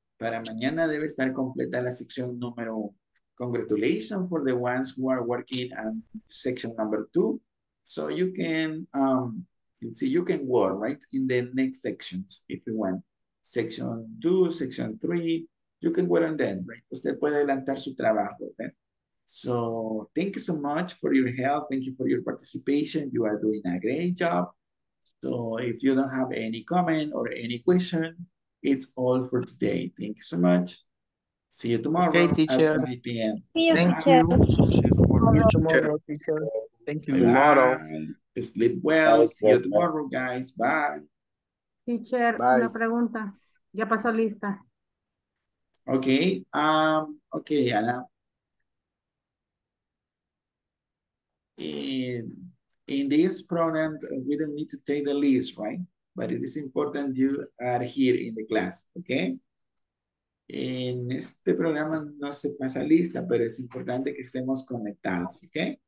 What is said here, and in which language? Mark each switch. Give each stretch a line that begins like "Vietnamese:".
Spanish: Para mañana debe estar completa la sección número uno.
English: Congratulations for the ones who are working on section number two. So you can, let's see, you can work, right? In the next sections, if you want. section 2, section 3, you can work on them, right?
Spanish: Usted puede adelantar su trabajo,
English: right? So thank you so much for your help. Thank you for your participation. You are doing a great job. So if you don't have any comment or any question, it's all for today. Thank you so much. See you tomorrow. Okay, teacher. At 5 p.m. See you tomorrow, teacher. Thank you. Bye. Tomorrow. Sleep well. See you tomorrow, guys. Bye. Teacher, bye.
Spanish: Una pregunta. Ya pasó lista.
English: Okay. Okay, Ana. In this program, we don't need to take the list, right? But it is important you are here in the class, okay?
Spanish: En este programa no se pasa lista, pero es importante que estemos conectados, okay?